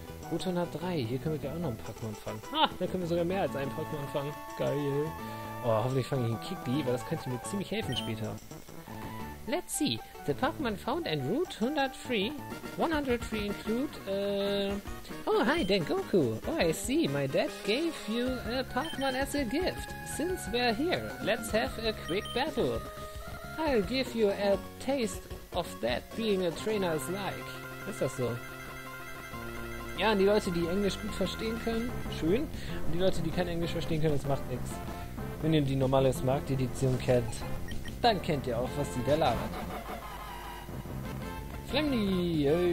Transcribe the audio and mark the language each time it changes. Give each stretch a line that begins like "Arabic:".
German: Uton hat 3. Hier können wir gleich auch noch ein Pokémon fangen. Ha, da können wir sogar mehr als ein Pokémon fangen. Geil. Oh, hoffentlich fange ich einen Kickli, weil das könnte mir ziemlich helfen später.
English: Let's see. The Pokémon found and route 103. 103 include, oh, hi, Dengoku. Oh, I see. My dad gave you a Pokémon as a gift. Since we're here, let's have a quick battle. I'll give you a taste of that being a trainer is like.
German: Ist das so? Ja, und die Leute, die Englisch gut verstehen können, schön. Und die Leute, die kein Englisch verstehen können, das macht nichts. Wenn ihr die normale Markt-Edition kennt, dann kennt ihr auch, was die da labern. Flemmi!